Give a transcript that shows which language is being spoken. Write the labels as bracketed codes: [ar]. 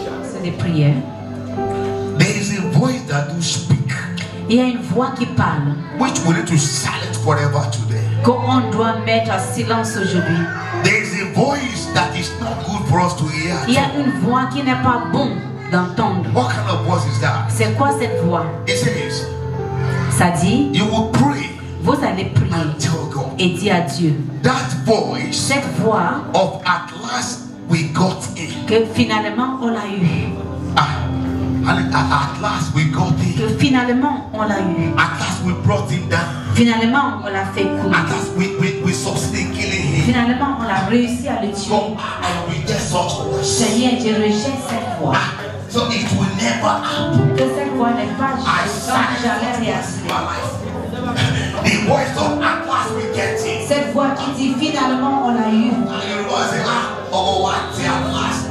[fr] C'est des prières. [en] There is a voice that do speak. [fr] Il y a une voix qui parle. [en] Which we need to silence forever today. [fr] Qu'on doit mettre à silence aujourd'hui. [en] There is a voice that is not good for us to hear. [fr] Il y a une voix qui n'est pas bon d'entendre. [en] What kind of voice is that? [fr] C'est quoi cette voix? [en] It says. [fr] Ça dit. [en] You will pray. [fr] Vous allez prier. [en] And tell God. [fr] Et dire à Dieu. [en] That voice. [fr] Cette voix. [en] Of at last we got it. [fr] Que finalement on l'a eu. [en] Ah. At last we got it. [fr] Que finalement on l'a eu. [en] At last we brought him down. [fr] Finalement on l'a fait couler. [en] At last we succeeded in killing him. [fr] Finalement on l'a réussi à le tuer. [en] God, I reject such voice. [fr] Seigneur, je rejette cette voix. [en] Ah, so it will never happen. [fr] Que cette voix n'est pas jamais réalisée. [en] The voice of at last we get it. [fr] Cette voix qui dit finalement on l'a eu. [en] And your voice is oh what at last.